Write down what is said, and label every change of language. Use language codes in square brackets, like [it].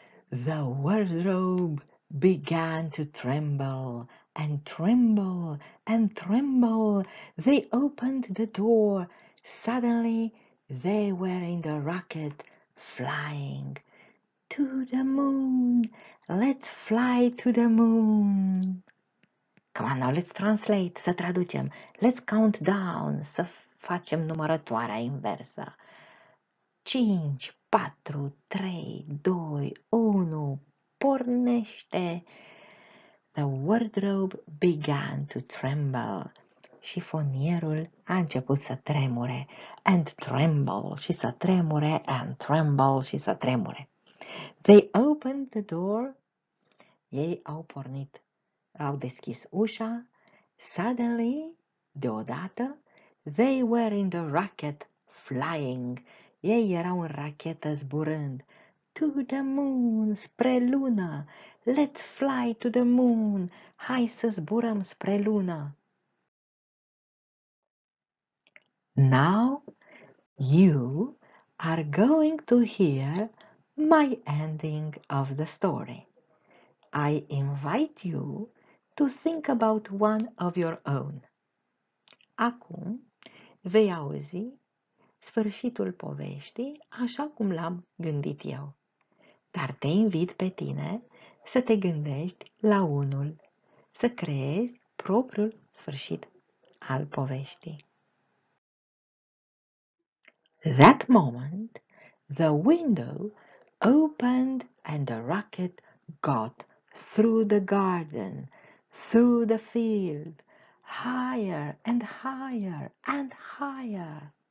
[en] The wardrobe began to tremble and tremble and tremble. They opened the door. Suddenly, they were in the rocket, flying to the moon. Let's fly to the moon. Come on now, let's translate, [ro] să traducem. [en] Let's count down, [ro] să facem numărătoarea inversă. 5, 4, 3, 2, 1, pornește! [en] The wardrobe began to tremble. [ro] Șifonierul a început să tremure. [en] And tremble [ro] și să tremure, [en] and tremble [ro] și să tremure. [en] They opened the door. [ro] Ei au pornit, au deschis ușa. [en] Suddenly, [ro] deodată, [en] they were in the rocket flying. [ro] Ei erau în rachetă zburând. [en] To the moon, [ro] spre lună. [en] Let's fly to the moon. [ro] Hai să zburăm spre lună. [en] Now you are going to hear my ending of the story. I invite you to think about one of your own. [ro] Acum vei auzi sfârșitul poveștii așa cum l-am gândit eu. Dar te invit pe tine să te gândești la unul, să creezi propriul sfârșit al poveștii. [en] That moment, the window opened and the rocket got through the garden, through the field, higher and higher and higher.